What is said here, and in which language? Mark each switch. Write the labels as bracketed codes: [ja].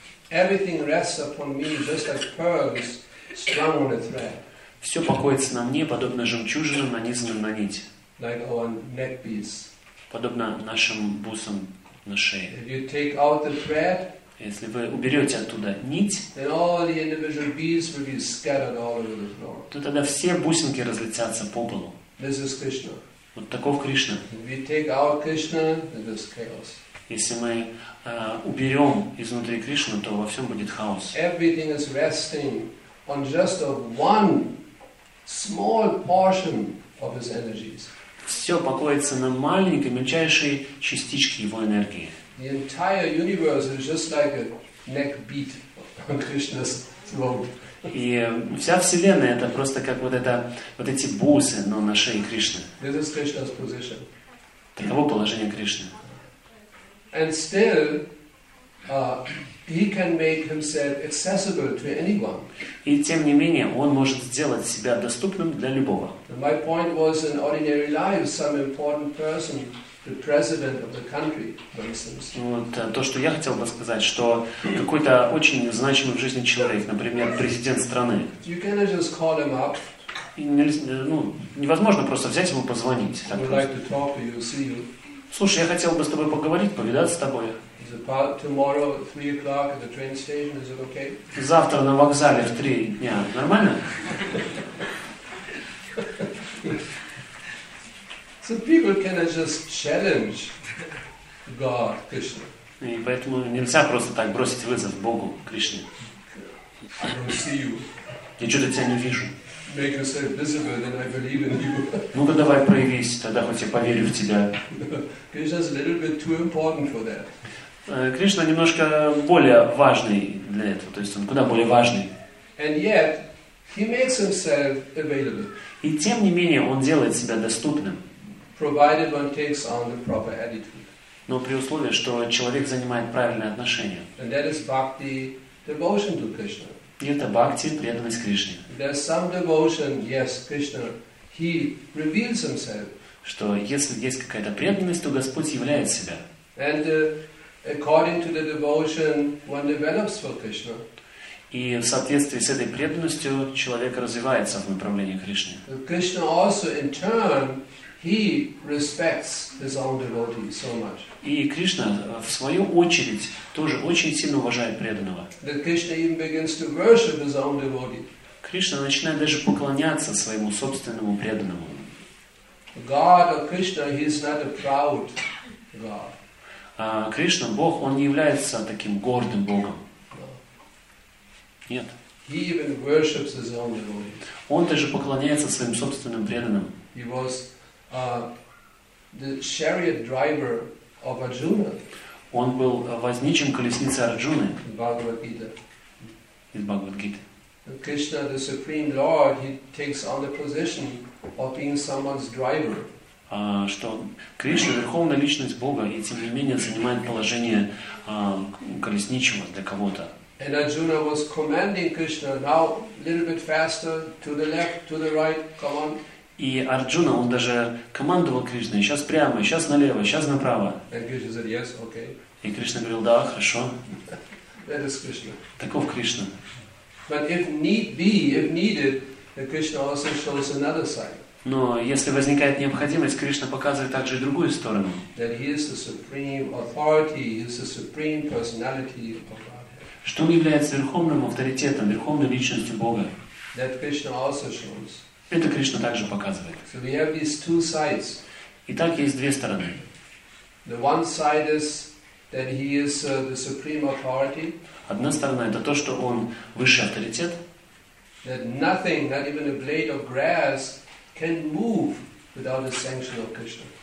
[en] Everything rests upon me, just like pearls strung on a thread. [ru] Все покоится на мне, подобно жемчужинам, нанизанным на нить. [en] Like our neck beads. [ru] Подобно нашим бусам на шее. [en] If you take out the thread, [ru] если вы уберете оттуда нить, [en] then all the individual beads will be scattered all over the floor. [ru] То тогда все бусинки разлетятся по полу. [en] This is Krishna. [ru] Вот таков Кришна. [en] If we take out Krishna, then there's chaos. [ru] Если мы уберем изнутри Кришну, то во всем будет хаос. [en] Everything is resting on just one small portion of his energies. [ru] Все покоится на маленькой, мельчайшей частичке его энергии. [en] The entire universe is just like a neck beat on Krishna's throat. [ru] И вся вселенная это просто как вот это вот эти бусы, но на шее Кришны. [en] This is Krishna's position. [ru] Таково положение Кришны. [en] And still, he can make himself accessible to anyone. [ru] И тем не менее, он может сделать себя доступным для любого. [en] My point was in ordinary life, some important person, the president of the country, for instance. [ru] Вот то, что я хотел бы сказать, что какой-то очень значимый в жизни человек, например, президент страны. [en] You cannot just call him up. [ru] Невозможно просто взять ему позвонить. [en] I would like to talk to you, see you. [ru] Слушай, я хотел бы с тобой поговорить, повидаться с тобой. [en] Tomorrow, 3 o'clock at the train station, is it okay? [ru] Завтра на вокзале в 3 дня. Нормально? [en] So people cannot just challenge God, Krishna. [ru] И поэтому нельзя просто так бросить вызов Богу, Кришне. [en] I don't see you. [ru] Я что-то тебя не вижу. [en] Make yourself visible, then I believe in you. [ru] Ну-ка, давай проявись, тогда хоть я поверю в тебя. [en] Krishna's a little bit too important for that. [ru] Кришна немножко более важный для этого, то есть он куда более важный. [en] And yet, he makes himself available. [ru] И тем не менее, он делает себя доступным. [en] Provided one takes on the proper attitude. [ru] Но при условии, что человек занимает правильное отношение. [en] And that is bhakti, devotion to Krishna. [ru] И это бхакти, преданность Кришне. [en] There's some devotion, yes, Krishna, he reveals himself. [ru] Что если есть какая-то преданность, то Господь являет себя. [en] And according to the devotion, one develops for Krishna. [ru] И в соответствии с этой преданностью человек развивается в направлении Кришны. [en] Krishna also, in turn, he respects his own devotee so much. [ru] И Кришна, в свою очередь, тоже очень сильно уважает преданного. [en] That Krishna even begins to worship his own devotee. [ru] Кришна начинает даже поклоняться своему собственному преданному. [en] God or Krishna, he is not a proud God. [ru] Кришна, Бог, Он не является таким гордым Богом. Нет. [en] He even worships his own devotees. [ru] Он даже поклоняется своим собственным преданным. [en] He was the chariot driver of Arjuna. [ru] Он был возничим колесницы Арджуны. Бхагавад-гита. Из Бхагавад-гиты. [en] Кришна, the Supreme Lord, he takes on the position of being someone's driver. [ru] Что Кришна, верховная личность Бога, и тем не менее занимает положение колесничего для кого-то. [en] And Arjuna was commanding Krishna, now a little bit faster, to the left, to the right, come on. [ru] И Арджуна, он даже командовал Кришной, сейчас прямо, сейчас налево, сейчас направо. [en] And Krishna said, yes, okay. [ru] И Кришна говорил, да, хорошо. [en] That is Krishna. [ru] Таков Кришна. [en] But if need be, if needed, then Krishna also shows another side. [ru] Но если возникает необходимость, Кришна показывает также и другую сторону. [en] That he is the supreme authority, he is the supreme personality of Godhead. [ru] Что он является верховным авторитетом, верховной личностью Бога. [en] That Krishna also shows. [ru] Это Кришна также показывает. [en] So we have these two sides. [ru] Итак, есть две стороны. [en] The one side is that he is the supreme authority. [ru] Одна сторона — это то, что он высший авторитет. [en] That nothing, not even a blade of grass, can move without the sanction of Krishna.